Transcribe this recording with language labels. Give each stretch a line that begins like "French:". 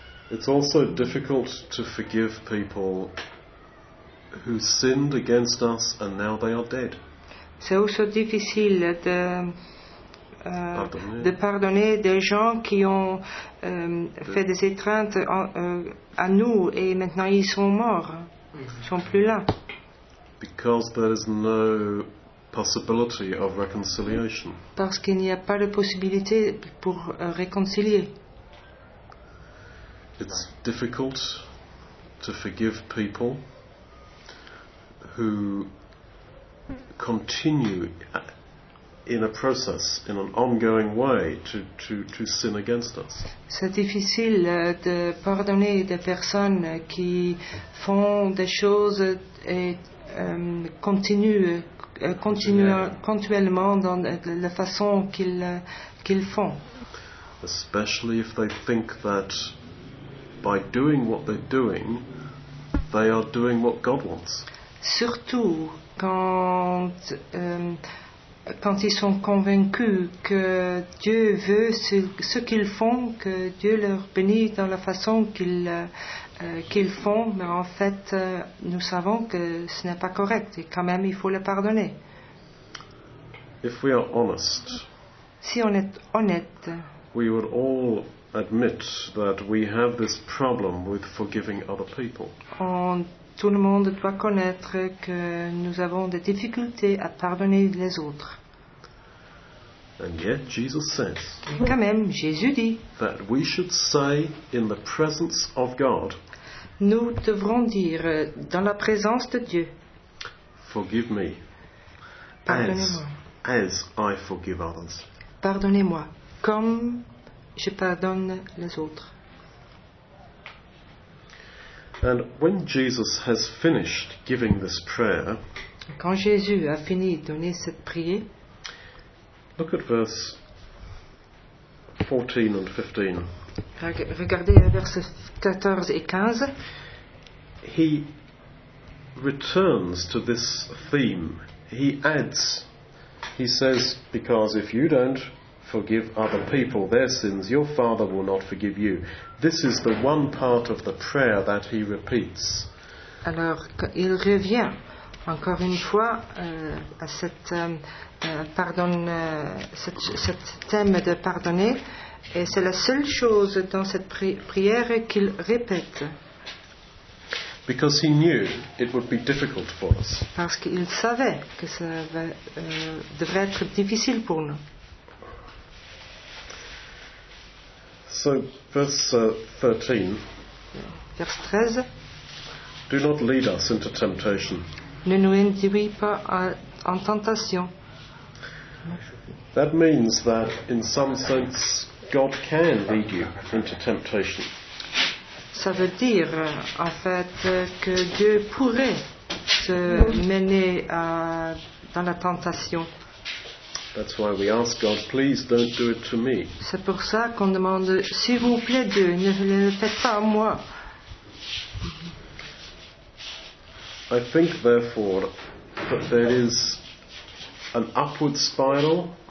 English: It's also difficult to forgive people who sinned against us and now they are dead.
French: C'est aussi difficile de de pardonner des gens qui ont fait des étreintes à nous et maintenant ils sont morts, ils sont plus là.
English: Because there is no possibility of reconciliation.
French: Parce qu'il n'y a pas de possibilité pour réconcilier.
English: It's difficult to forgive people who continue in a process, in an ongoing way, to sin against us.
French: C'est difficile de pardonner des personnes qui font des choses et continuellement dans la façon qu'ils font.
English: Especially if they think that by doing what they're doing, they are doing what God wants.
French: Surtout quand quand ils sont convaincus que Dieu veut ce qu'ils font, que Dieu leur bénit dans la façon qu'ils font, mais en fait nous savons que ce n'est pas correct et quand même il faut le pardonner.
English: If we are honest,
French: si on est honnête,
English: we would all admit that we have this problem with forgiving other people.
French: Tout le monde doit connaître que nous avons des difficultés à pardonner les autres.
English: And yet Jesus says,
French: et quand même, Jésus dit
English: that we should say in the presence of God,
French: nous devrons dire dans la présence de Dieu,
English: forgive me, as I forgive others.
French: Pardonnez-moi comme je pardonne les autres.
English: And when Jesus has finished giving this prayer,
French: quand Jésus a fini de donner cette prière,
English: look at verse 14 and 15.
French: Regardez à verset 14 et 15.
English: He returns to this theme. He adds, he says, because if you don't forgive other people their sins, your Father will not forgive you. This is the one part of the prayer that he repeats.
French: Alors, il revient encore une fois à cette cette thème de pardonner, et c'est la seule chose dans cette prière qu'il répète.
English: Because he knew it would be difficult for us.
French: Parce qu'il savait que ça devrait être difficile pour nous.
English: So, verse 13. Do not lead us into temptation.
French: Ne nous induis pas en tentation.
English: That means that, in some sense, God can lead you into temptation.
French: Ça veut dire, en fait, que Dieu pourrait te mener dans la tentation.
English: That's why we ask God, please don't do it to me.
French: C'est pour ça qu'on demande, s'il vous plaît Dieu, ne le faites pas à moi.
English: I think therefore that there is an upward spiral